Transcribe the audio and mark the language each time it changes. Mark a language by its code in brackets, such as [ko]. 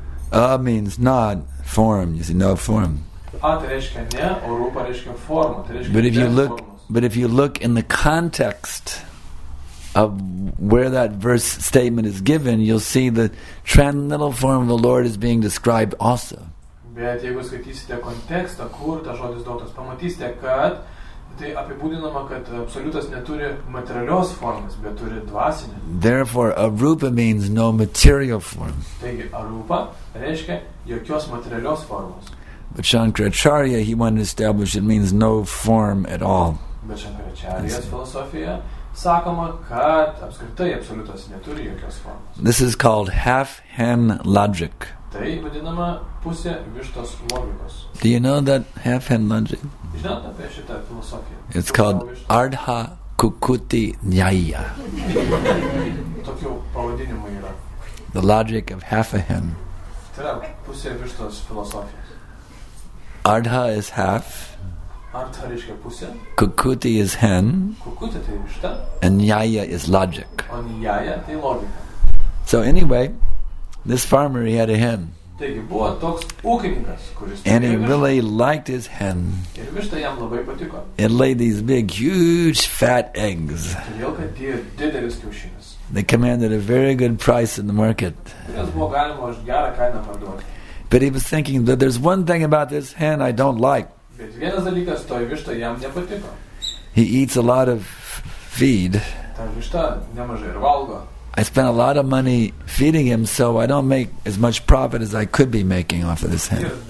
[en] A means not form, you see, no form. But if you look in the context of where that verse statement is given, you'll see the transcendental form of the Lord is being described also. [lt] Bet jeigu skaitysite kontekstą, kur ta žodis duotas, pamatysite, kad tai apibūdinama, kad absoliutas neturi materialios formas, bet turi dvasinę. [en] Therefore, arūpa means no material form. [lt] Taigi, arūpa reiškia jokios materialios formos. [en] But Shankaracharya, he wanted to establish, it means no form at all. [lt] Bet Shankaracharya's filosofija sakoma, kad apskritai absoliutas neturi jokios formos. [en] This is called half-hen logic. [lt] Tai vadinama pusė vištos logikos. [en] Do you know that half-hen logic? [lt] Žinot apie šitą filosofiją? [en] It's called Ardha Kukuti Nyaya. [lt] Tokiu pavadinimu yra. [en] The logic of half a hen. [lt] Tai yra pusė vištos filosofijos. [en] Ardha is half. [lt] Ardha reiškia pusė. [en] Kukuti is hen. [lt] Kukuti tai višta. [en] And Nyaya is logic. [lt] O Nyaya tai logika. [en] So anyway, this farmer, he had a hen. [lt] Taigi, buvo toks ūkininkas, kuris [en] and he really liked his hen. [lt] Ir višta jam labai patiko. [en] It laid these big, huge, fat eggs. [lt] Todėl, kad jie didelis kiaušinis. [en] They commanded a very good price in the market. [lt] Kurias buvo galima už gerą kainą parduoti. [en] But he was thinking that there's one thing about this hen I don't like. [lt] Bet vienas dalykas, toj višta jam nepatiko. [en] He eats a lot of feed. [lt] Ta višta nemažai ir valgo. [en] I spent a lot of money feeding him, so I don't make as much profit as I could be making off of this hen.